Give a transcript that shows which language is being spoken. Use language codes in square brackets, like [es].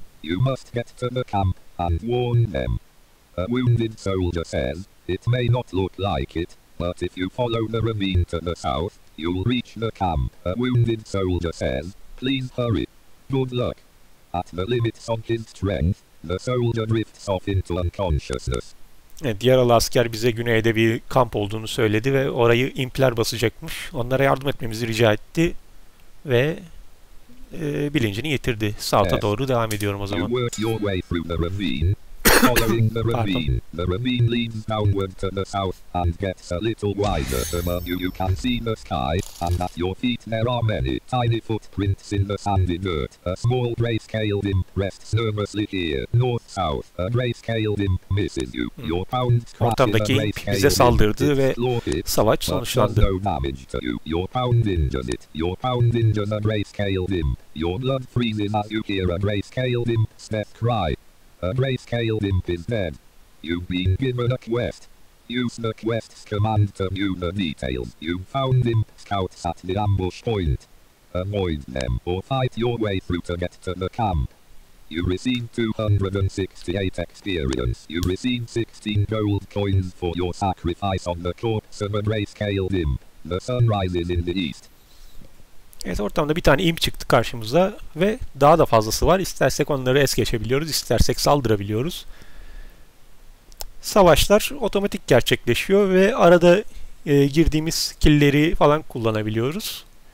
[en] You must get to the camp and warn them. A wounded soldier says, it may not look like it, but if you follow the ravine to the south, you'll reach the camp. A wounded soldier says, please hurry. Good luck. At the limits of his strength, the soldier drifts off into unconsciousness. [tr] Evet, yaralı asker bize güneyde bir kamp olduğunu söyledi ve orayı impler basacakmış. Onlara yardım etmemizi rica etti ve bilincini yitirdi. South'a doğru devam ediyorum o zaman. [en] You work your way through the ravine. Following the ravine leads downward to the south and gets a little wider. Above you, you can see the sky, and at your feet there are many tiny footprints in the sandy dirt. A small gray-scaled imp rests nervously here. North, south, a gray-scaled imp misses you. Your pounds crack in a gray-scaled imp. Its claw hits, but does no damage to you. Your pound injures it. Your pound injures a gray-scaled imp. Your blood freezes as you hear a gray-scaled imp's death cry. A gray-scaled imp is dead. You've been given a quest. Use the quest's command to view the details. You've found imp scouts at the ambush point. Avoid them or fight your way through to get to the camp. You receive 268 experience. You receive 16 gold coins for your sacrifice on the corpse of a gray-scaled imp. The sun rises in the east. [tr] Evet, ortamda bir tane imp çıktı karşımıza ve daha da fazlası var. İstersek onları es geçebiliyoruz, istersek saldırabiliyoruz. Savaşlar otomatik gerçekleşiyor ve arada girdiğimiz skill'leri falan kullanabiliyoruz.